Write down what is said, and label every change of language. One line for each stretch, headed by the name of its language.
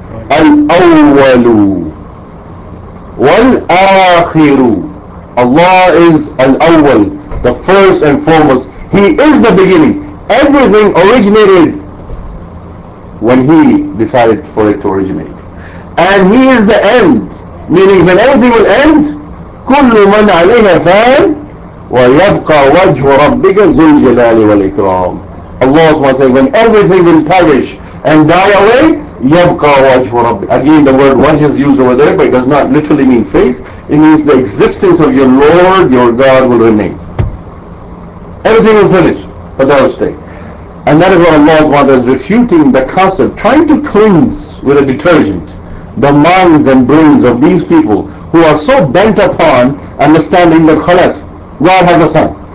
Arabic: Al-Awwalu. وَالْآخِرُ.
English: Allah is الْأَوَّلُ, the first and foremost. He is the beginning. Everything originated when He decided for it to originate. And He is the end. Meaning when everything will end,
Arabic: كُلُّ مَنْ عَلَيْهَا فَانْ وَيَبْقَى وَجْهُ رَبِّكَ ذُو الْجَلَالِ وَالْإِكْرَامِ.
English: Allah SWT says, when everything will perish and die away,
Arabic: يَبْقَى وَجْهُ رَبِّ.
English: Again, the word وَجْه is used over there, but it does not literally mean face. It means the existence of your Lord, your God, will remain. Everything will finish, but that will stay. And that is what Allah SWT is refuting the concept, trying to cleanse with a detergent the minds and brains of these people who are so bent upon understanding that خلاص, God has a son.